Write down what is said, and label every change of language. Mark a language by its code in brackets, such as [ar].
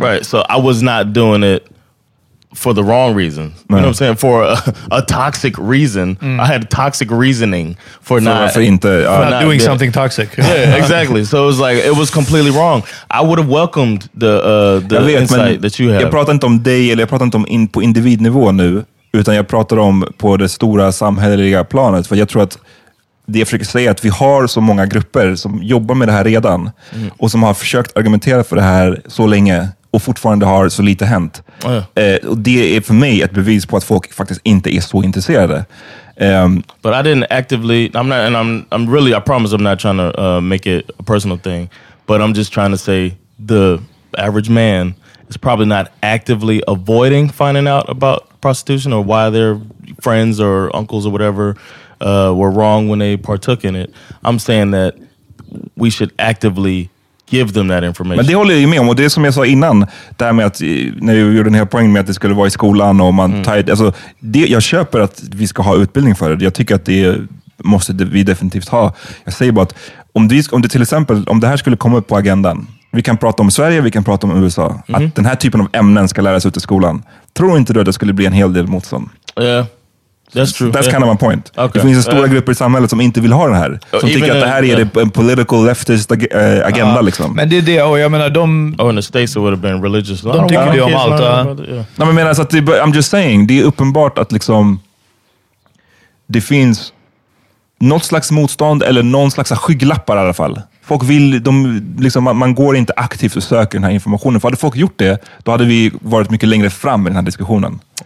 [en] Right, so I was not doing it for the wrong reason. Right. You know what I'm saying? For a toxic reason. I had toxic reasoning for not doing something toxic. Yeah, exactly. So it was like, it was completely wrong. I would have welcomed the insight that you have. [sv] Jag pratar inte om dig, eller jag pratar inte om på individnivå nu. Utan jag pratar om på det stora samhälleliga planet. För jag tror att det jag försöker säga är att vi har så många grupper som jobbar med det här redan. Och som har försökt argumentera för det här så länge. Och fortfarande har så lite hänt. Och det är för mig ett bevis på att folk faktiskt inte är så intresserade. [en] But I didn't actively... I promise I'm not trying to make it a personal thing. But I'm just trying to say the average man is probably not actively avoiding finding out about prostitution, or why their friends or uncles or whatever were wrong when they partook in it. I'm saying that we should actively give them that information. [sv] Men det håller jag med om, och det som jag sa innan, det här med att, när jag gjorde den här poängen med att det skulle vara i skolan och man tajt, alltså, det, jag köper att vi ska ha utbildning för det. Jag tycker att det måste vi definitivt ha. Jag säger bara att om det här skulle komma upp på agendan, vi kan prata om Sverige, vi kan prata om USA, att den här typen av ämnen ska läras ut i skolan. Tror inte du att det skulle bli en hel del motstånd? [en] Yeah, that's true. That's kind of my point. Okay. [sv] Det finns en stora grupper i samhället som inte vill ha det här. Som tycker att det här är en [en] political leftist agenda. [sv] Liksom. Men det är det. Och jag menar, de... [en] Oh, in the States it would have been religious. [sv] De tycker det om allt. Nej, men menar, [en] I'm just saying. [sv] Det är uppenbart att liksom... Det finns något slags motstånd eller någon slags skygglappar i alla fall. Folk vill, man går inte aktivt och söker den här informationen. För hade folk gjort det, då hade vi varit mycket längre fram i den här diskussionen.